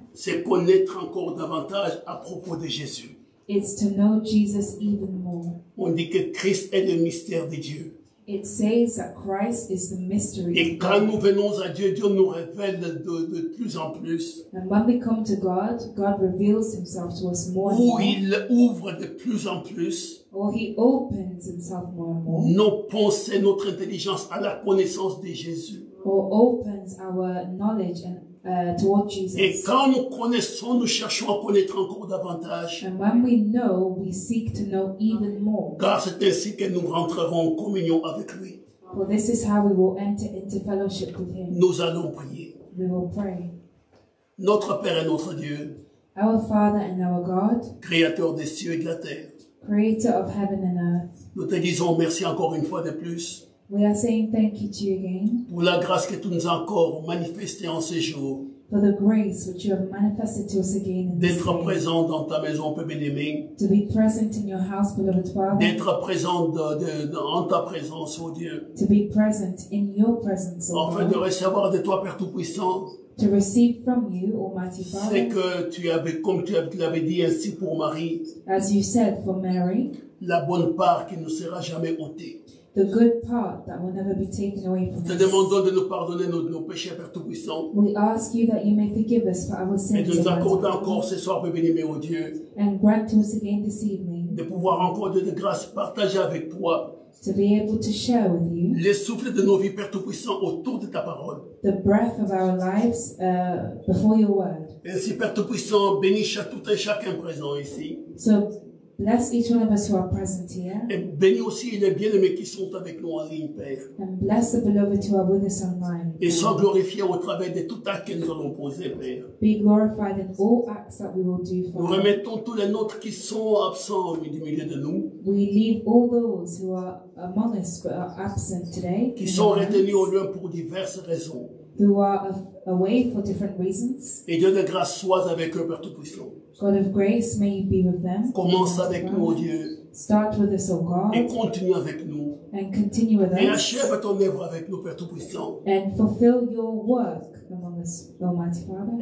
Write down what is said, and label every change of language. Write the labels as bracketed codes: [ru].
[fr] C'est connaître encore davantage à propos de Jésus. [en] It's to know Jesus even more. [fr] On dit que Christ est le mystère de Dieu. [en] It says that Christ is the mystery. [fr] Et quand nous venons à Dieu, Dieu nous révèle de plus en plus. [en] And when we come to God, God reveals himself to us more. [fr] Où il ouvre de plus en plus. [en] Or he opens himself more and more. [fr] Nos pensées, notre intelligence à la connaissance de Jésus. [en] Or opens our knowledge and toward Jesus. [fr] Et quand nous connaissons, nous cherchons à connaître encore davantage. [en] And when we know, we seek to know even more. [fr] Car c'est ainsi que nous rentrerons en communion avec lui. [en] For this is how we will enter into fellowship with him. [fr] Nous allons prier. [en] We will pray. [fr] Notre Père et notre Dieu. [en] Our Father and our God. [fr] Créateur des cieux et de la terre. [en] Creator of heaven and earth. [fr] Nous te disons merci encore une fois de plus. [en] We are saying thank you to you again. [fr] Pour la grâce que tu nous as encore manifestée en ces jours. [en] For the grace which you have manifested to us again in this day. [fr] D'être présent dans ta maison, Père bien-aimé. [en] To be present in your house, beloved Father. [fr] D'être présent en ta présence, oh Dieu. [en] To be present in your presence, oh [fr] Afin [en] Lord. [fr] De recevoir de toi, Père Tout-Puissant. [en] To receive from you, Almighty Father. [fr] C'est que tu avais, comme tu l'avais dit ainsi pour Marie. [en] As you said for Mary. [fr] La bonne part qui ne sera jamais ôtée. [en] The good part that will never be taken away from us. [fr] Te demandons de nous pardonner nos péchés, Père Tout-Puissant. [en] We ask you that you may forgive us for our sins. [fr] Et de nous accorder encore ce soir, Père bien-aimé, oh Dieu. [en] And grant to us again this evening. [fr] De pouvoir encore de grâce partager avec toi. [en] To be able to share with you. [fr] Le souffle de nos vies, Père Tout-Puissant, autour de ta parole. [en] The breath of our lives before your word. [fr] Ainsi, Père Tout-Puissant, bénis tout et chacun présent ici. [en] So, bless each one of us who are present here. [fr] Et bénis aussi les bien-aimés qui sont avec nous en ligne, Père. [en] And bless the beloved who are with us online. [fr] Et sois glorifié au travers de tout acte que nous allons poser, Père. [en] Be glorified in all acts that we will do, Father. [fr] Nous remettons tous les nôtres qui sont absents du milieu de nous. [en] We leave all those who are among us but are absent today. [fr] Qui sont retenus au lieu pour diverses raisons. [en] Who are away for different reasons. [fr] Et Dieu de grâce soit avec eux, Père Tout-Puissant. [en] God of grace, may you be with them. [fr] Commence avec nous, oh Dieu. [en] Start with us, oh God. [fr] Et continue avec nous. [en] And continue with [fr] Et [en] us. [fr] Et achève ton œuvre avec nous, Père Tout-Puissant. [en] And fulfill your work among us, Almighty Father.